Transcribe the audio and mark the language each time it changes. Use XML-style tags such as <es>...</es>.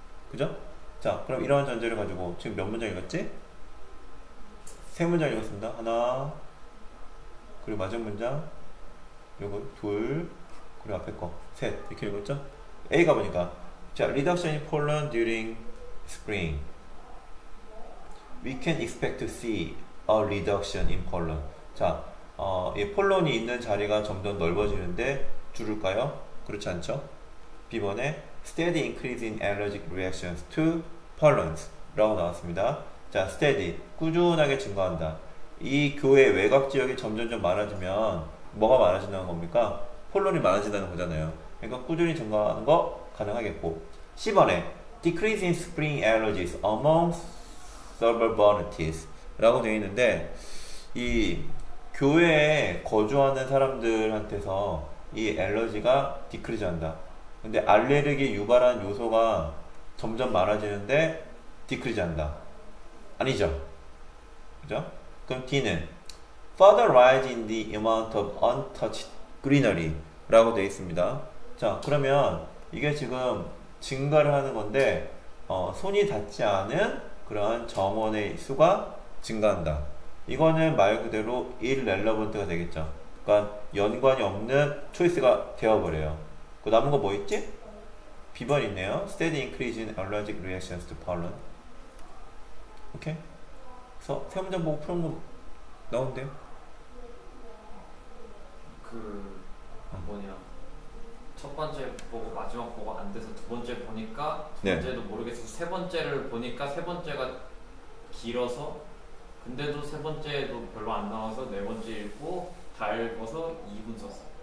<ko>그죠? 자, 그럼 이러한 전제를 가지고 지금 몇 문장 읽었지? 세 문장 읽었습니다. 하나, 그리고 마지막 문장, 요거 둘, 그리고 앞에 거, 셋. 이렇게 읽었죠? A 가보니까.</ko> <en>자, reduction in pollen during spring. We can expect to see a reduction in pollen.</en> <ko>자, 이 폴론이 있는 자리가 점점 넓어지는데 줄을까요? 그렇지 않죠? B번에 Steady increase in allergic reactions to pollens 라고 나왔습니다. 자, steady. 꾸준하게 증가한다. 이 교회 외곽 지역이 점점점 많아지면 뭐가 많아진다는 겁니까? 폴론이 많아진다는 거잖아요. 그러니까 꾸준히 증가하는 거 가능하겠고. C번에 decrease in spring allergies among suburbanites 라고 되어 있는데 이 교회에 거주하는 사람들한테서 이 알러지가 디크리즈한다. 근데 알레르기 유발한 요소가 점점 많아지는데 디크리즈한다. 아니죠? 그죠? 그럼 D는 further rise in the amount of untouched greenery 라고 되어 있습니다. 자, 그러면 이게 지금 증가를 하는 건데 손이 닿지 않은 그러한 정원의 수가 증가한다. 이거는 말 그대로 irrelevant가 되겠죠. 그러니까 연관이 없는 choice가 되어버려요. 그 남은 거뭐 있지? B번 있네요.</ko> <en>Steady increase in allergic reactions to pollen.</en> <ko>오케이. 그래서 세 문장 보고 풀은 거 나온대요. 그 뭐냐 첫 번째 보고 마지막 보고 안 돼서 두 번째 보니까 두 번째도 네. 모르겠어서 세 번째를 보니까 세 번째가 길어서 근데도 세 번째도 별로 안 나와서 네 번째 읽고 다 읽어서 2분 썼어.</ko>